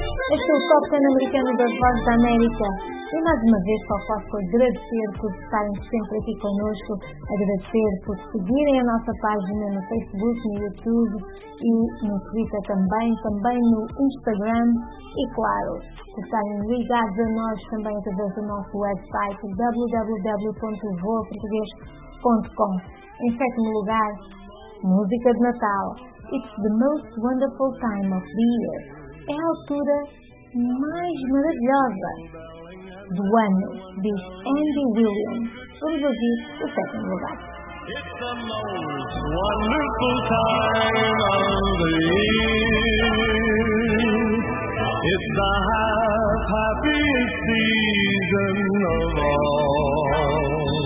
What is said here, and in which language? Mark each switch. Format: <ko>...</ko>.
<pt>Este é o Top 10 americano das Vozes da América. E mais uma vez só posso agradecer por estarem sempre aqui connosco, agradecer por seguirem a nossa página no Facebook, no YouTube e no Twitter também, também no Instagram e, claro, por estarem ligados a nós também através do nosso website www.voaportugues.com. Em 7º lugar, música de Natal.</pt> <en>It's the most wonderful time of the year.</en> <pt>É a altura mais maravilhosa do ano, diz Andy Williams. Vamos ouvir o 7º lugar.</pt> <en>It's the most wonderful time of the year. It's the happiest season of all.</en>